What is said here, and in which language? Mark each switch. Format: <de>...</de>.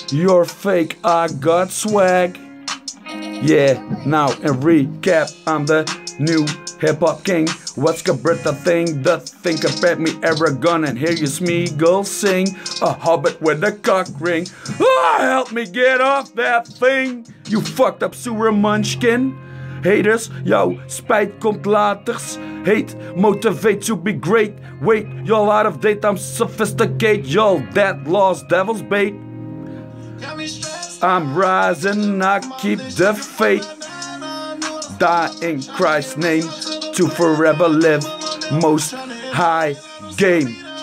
<en>You're fake, I got swag. Yeah, now in recap, I'm the new hip hop king. What's compared to thing? The thing compared me, Aragon, and hear you Smeagol sing. A hobbit with a cock ring. Oh, help me get off that thing, you fucked up sewer munchkin.</en> <nl>Haters, jouw spijt komt laters.</nl> <en>Hate, motivate to be great. Wait, y'all out of date, I'm sophisticated. Y'all dead, lost, devil's bait. I'm rising, I keep the faith. Die in Christ's name to forever live, most high game.</en>